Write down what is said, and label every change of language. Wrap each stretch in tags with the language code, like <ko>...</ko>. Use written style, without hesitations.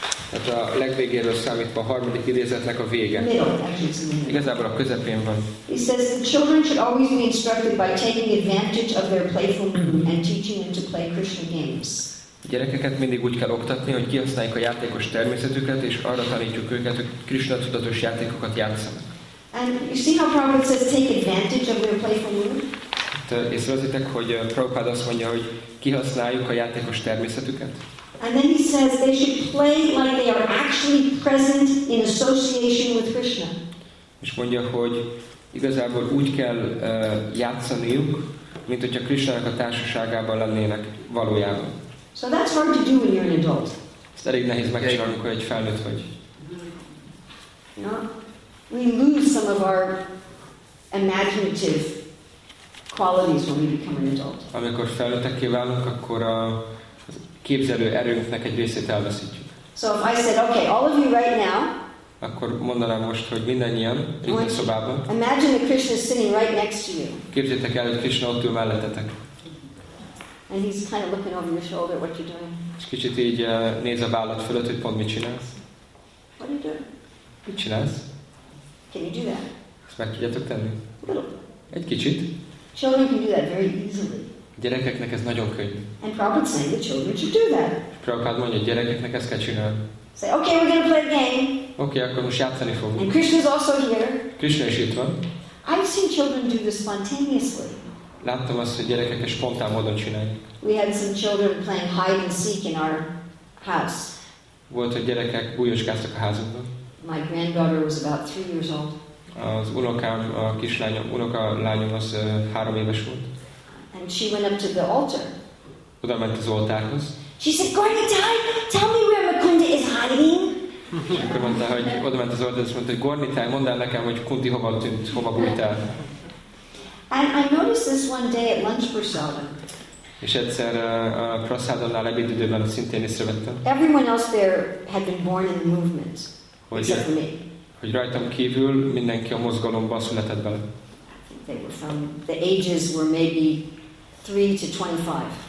<hu>Tehát a legvégéről számítva a harmadik idézetnek a vége. Igazából a közepén van.</hu> <en>He says the children should always be instructed by taking advantage of their playful mood and teaching them to play Krishna games.</en> <hu>Gyerekeket mindig úgy kell oktatni, hogy kihasználjuk a játékos természetüket, és arra tanítjuk őket, hogy Krishna tudatos játékokat játszanak.</hu> <en>And you see how Prabhupada says take advantage of their playful mood?</en> <hu>Észrevezitek, hogy Prabhupada azt mondja, hogy kihasználjuk a játékos természetüket.</hu> <en>And then he says they should play like they are actually present in association with Krishna.</en> <hu>És mondja, hogy igazából úgy kell játszaniuk, mint hogyha Krishnának a társaságában lennének valójában.</hu> <en>So that's hard to do when you're an adult.</en> <hu>Ezt elég nehéz megcsinálni, amikor egy felnőtt vagy.</hu> <en>We lose some of our imaginative qualities when we become an adult.</en> <hu>Amikor felnőttekké válunk, akkor a képzelő erőnknek egy részét elveszítjük.</hu> <en>So if I said, okay, all of you right now.</en> <hu>Akkor mondanám most, hogy mindannyian, itt a szobában.</hu> <en>Imagine that Krishna is sitting right next to you.</en> <hu>Képzeljétek el, hogy Krishna ott ül mellettetek.</hu> <en>And he's kind of looking over your shoulder at what you're doing.</en> <hu>És kicsit így néz a vállad fölött, hogy pont mit csinálsz.</hu> <en>What are you doing?</en> <hu>Mit csinálsz?</hu> <en>Can you do that?</en> <hu>Ezt meg tudjátok tenni?</hu> <en>A little.</en> <hu>Egy kicsit.</hu> <en>Children can do that very easily.</en> <hu>Gyerekeknek ez nagyon könnyű.</hu> <en>And Prabhupada saying that children should do that.</en> <hu>Prabhupada mondja, gyerekeknek ezt kell csinálni.</hu> <en>Say, okay, we're going to play a game.</en> <hu>Okay, akkor most játszani fogunk.</hu> <en>And Krishna is also here.</en> <hu>Krishna is itt van.</hu> <en>I've seen children do this spontaneously.</en> <hu>Láttam azt, hogy gyerekek ezt spontán módon csinálják.</hu> <en>We had some children playing hide and seek in our house.</en> <hu>Volt, hogy gyerekek bújóskáztak a házunkban.</hu> <en>My granddaughter was about 3 years old.</en> <hu>Az unokám, a kislányom, unokalányom az 3 éves volt.</hu> <en>And she went up to the altar.</en> <hu>Oda ment az oltárhoz.</hu> <en>She said, Gornitai, tell me where Mukunda is hiding.</en> <hu>És akkor mondta, hogy oda ment az oltárhoz, és mondta, hogy Gornitai, mondd el nekem, hogy Kunti hova tűnt, hova bújt el.</hu> <en>And I noticed this one day at lunch prasadam.</en> <hu>És egyszer a prasadamnál ebédidőben szintén észrevettem.</hu> <en>Everyone else there had been born in the movement, except me.</en> <hu>Hogy rajtam kívül mindenki a mozgalomban született bele.</hu> <en>they were from the ages were maybe 3 to 25.</en>